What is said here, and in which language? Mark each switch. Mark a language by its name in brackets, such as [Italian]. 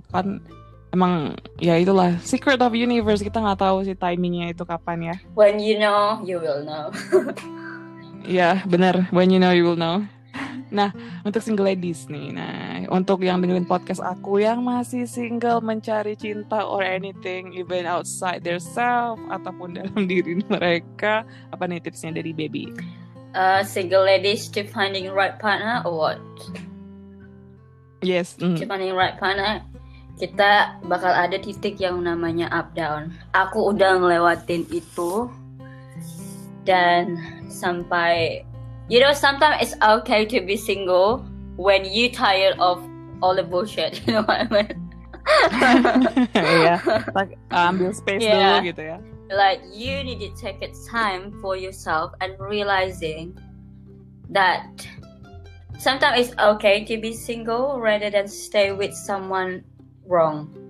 [Indonesian] Kan emang ya itulah [English] secret of universe, [Indonesian] kita nggak tahu sih timingnya itu kapan ya. [English] When you know, you will know. [Indonesian] Ya benar, [English] when you know you will know. [Indonesian] Nah untuk single ladies nih, nah untuk yang dengerin podcast aku yang masih single mencari cinta [English] or anything even outside their self [Indonesian] ataupun dalam diri mereka, apa nih tipsnya dari baby? [English] Single ladies to finding right partner or what? Yes. To finding right partner. [Indonesian] Kita bakal ada titik yang namanya up down. Aku udah ngelewatin itu. Dan sampai, [English] you know, sometimes it's okay to be single when you tired of all the bullshit. You know what I mean? [Indonesian] Iya. Like, ambil space dulu gitu ya. [English] Like, you need to take it time for yourself and realizing that sometimes it's okay to be single rather than stay with someone wrong.